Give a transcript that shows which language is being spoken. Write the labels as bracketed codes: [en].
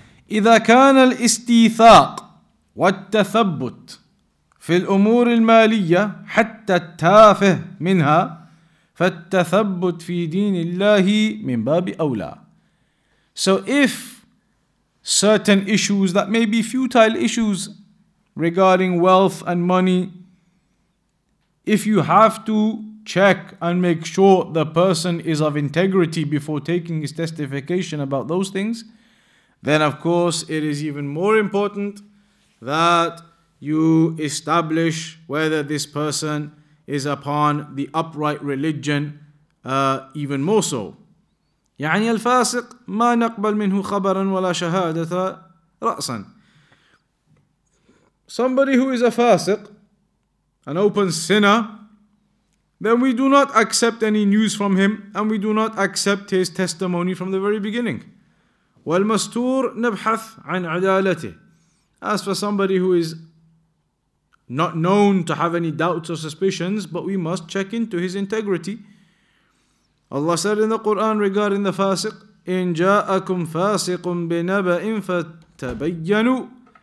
[ar] إذا كان الاستيثاق والتثبت في الأمور المالية حتى التافه منها، فالتثبت في دين الله من باب أولى. [en] So if certain issues that may be futile issues regarding wealth and money, if you have to check and make sure the person is of integrity before taking his testification about those things, then of course it is even more important that you establish whether this person is upon the upright religion even more so. [ar] يعني الفاسق ما نقبل منه خبرا ولا شهادة رأسا. [en] Somebody who is a fasiq, an open sinner, then we do not accept any news from him and we do not accept his testimony from the very beginning. [ar] والمستور نبحث عن عدالته. [en] As for somebody who is not known to have any doubts or suspicions, but we must check into his integrity. Allah said in the Quran regarding the fasiq, [ar] إِن جَاءَكُمْ فَاسِقٌ بِنَبَإٍ فَتَبَيَّنُوا.